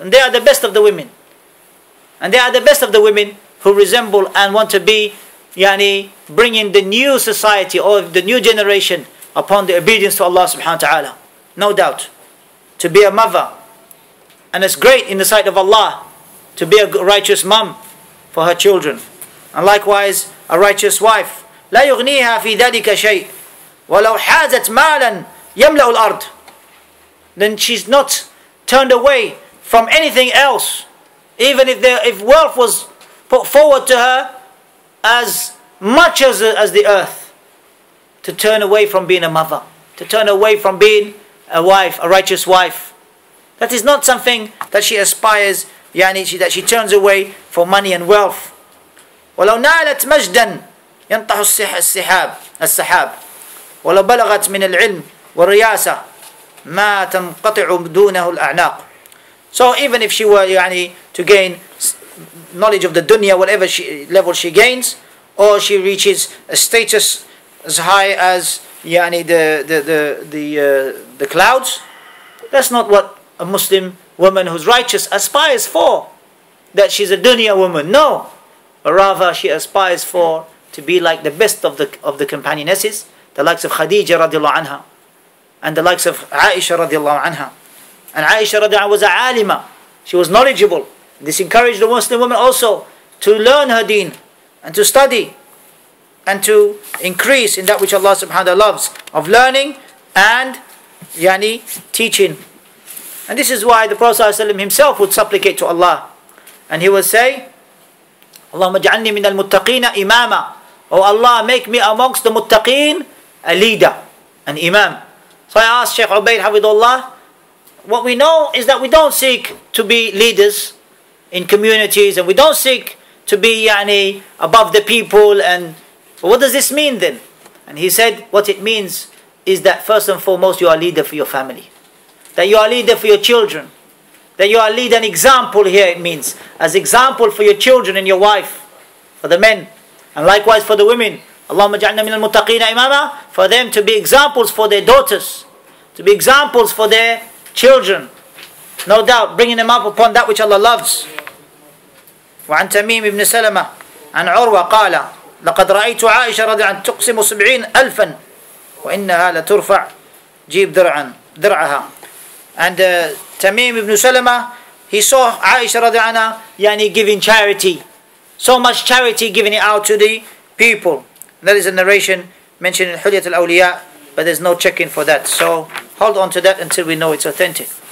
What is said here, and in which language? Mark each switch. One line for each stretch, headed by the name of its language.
English: And they are the best of the women. And they are the best of the women who resemble and want to be, yani, bringing the new society or the new generation upon the obedience to Allah subhanahu wa ta'ala. No doubt. To be a mother. And it's great in the sight of Allah to be a righteous mom for her children. And likewise, a righteous wife.
Arabic: لا يغنيها في ذلك شيء ولو حازت مالا يملأ الأرض.
English: Then she's not turned away from anything else, even if wealth was put forward to her as much as the earth, to turn away from being a mother, to turn away from being a wife, a righteous wife. That is not something that she aspires, yani, that she turns away for money and wealth.
Arabic: ولو نالت مجدا ينطح السحاب ولو بلغت من العلم والرياسة ما تنقطع دونه الأعناق.
English: So even if she were, يعني, to gain knowledge of the dunya, whatever level she gains, or she reaches a status as high as, يعني, the clouds, that's not what a Muslim woman who's righteous aspires for, that she's a dunya woman. No, but rather she aspires for to be like the best of the companionesses, the likes of Khadija radiallahu anha, and the likes of Aisha radiallahu anha. And Aisha radiallahu anha was a alima. She was knowledgeable. This encouraged the Muslim woman also to learn her deen, and to study, and to increase in that which Allah subhanahu wa ta'ala loves, of learning and, yani, teaching. And this is why the Prophet ﷺ himself would supplicate to Allah. And he would say,
Arabic: اللهم اجعلني من المتقين إماما.
English: Oh Allah, make me amongst the muttaqeen a leader, an imam. So I asked Shaykh Ubayd Hafidullah, what we know is that we don't seek to be leaders in communities, and we don't seek to be, yani, above the people, and Well, what does this mean then? And he said, what it means is that first and foremost, you are a leader for your family. That you are a leader for your children. That you are a leader, an example here it means. As example for your children and your wife. For the men. And likewise for the women.
Arabic: Allahumma ja'alna min al-muttaqina imama.
English: For them to be examples for their daughters. To be examples for their children. No doubt, bringing them up upon that which Allah loves.
Arabic: وعن تميم بن سلمة عن عروة قال لقد رأيت عائشة رضي الله عنها تقسم 70,000 وإنها لترفع جيب درعها.
English: And Tamim ibn Salama, he saw Aisha radiallahu anha yani giving charity, so much charity, giving it out to the people. That is a narration mentioned in Hulyat al-Awliya, but there's no checking for that, so hold on to that until we know it's authentic.